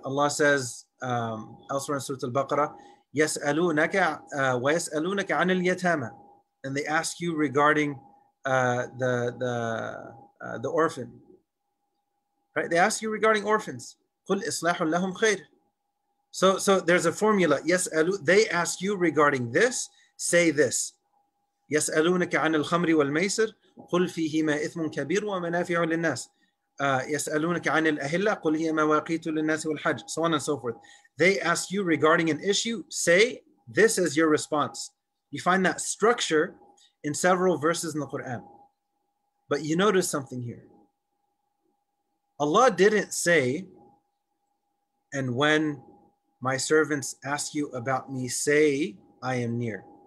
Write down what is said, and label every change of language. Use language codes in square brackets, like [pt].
[en] Allah says elsewhere in Surah Al-Baqarah, [ar] يسألونك ويسألونك عن اليتامى, [en] and they ask you regarding the orphan. Right? They ask you regarding orphans. [ar] قل إصلاح لهم خير. [en] So there's a formula. يسألو, they ask you regarding this. Say this. [ar] يسألونك عن الخمر والميسر. قل فيهما إثم كبير ومنافع للناس. يسألونك عن الأهلة. قل هي مواقيت للناس والحج. [en] So on and so forth. They ask you regarding an issue, say this as your response. You find that structure in several verses in the Quran. But you notice something here. Allah didn't say, And when my servants ask you about me, say, I am near.